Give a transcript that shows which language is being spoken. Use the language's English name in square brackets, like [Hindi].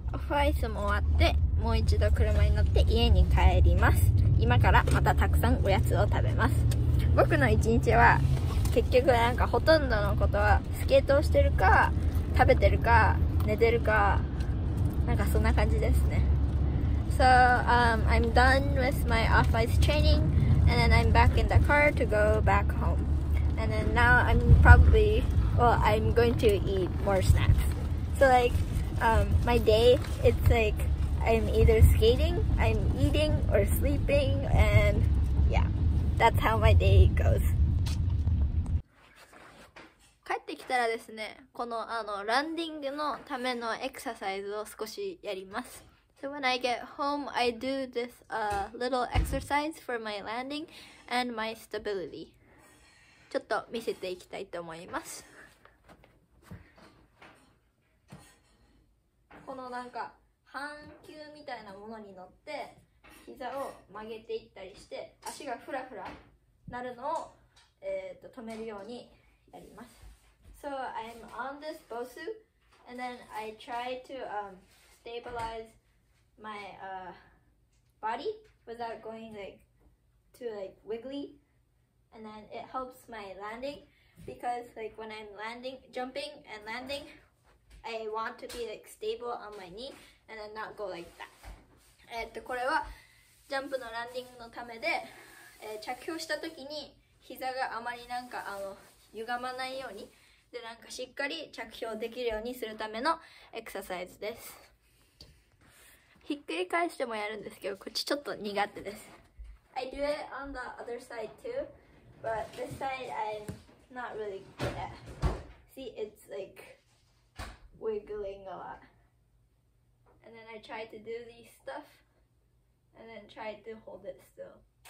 [Japanese] アイスも終わってもう一度車に乗って家に帰ります。今からまたたくさんおやつを食べます。僕の一日は結局なんかほとんどのことはスケートをしてるか食べてるか寝てるかなんかそんな感じですね。 [English] So I'm done with my off-ice training and then I'm back in the car to go back home and then now I'm probably well I'm going to eat more snacks. So likeMy day, it's like I'm either skating, I'm eating or sleeping, and yeah, that's how my day goes. [Japanese] 帰ってきたらですね、このランディングのためのエクササイズを少しやります。 [English] So when I get home, I do this little exercise for my landing and my stability. [Japanese] ちょっと見せていきたいと思います。このなんか半球みたいなものに乗って膝を曲げていったりして足がフラフラなるのを止めるようにやります。 [English] So I'm on this Bosu and then I try to stabilize my body without going like too like wiggly and then it helps my landing because like when I'm landing jumping and landingI want to be like stable on my knee and then not go like that. [Japanese] これはジャンプのランディングのためで、着氷した時に膝があまりなんか歪まないようにでなんかしっかり着氷できるようにするためのエクササイズです。ひっくり返してもやるんですけどこっちちょっと苦手です。 [English] I do it on the other side too, but this side I'm not really good at. See, it's likeWiggling a lot. And then I try to do these stuff and then try to hold it still.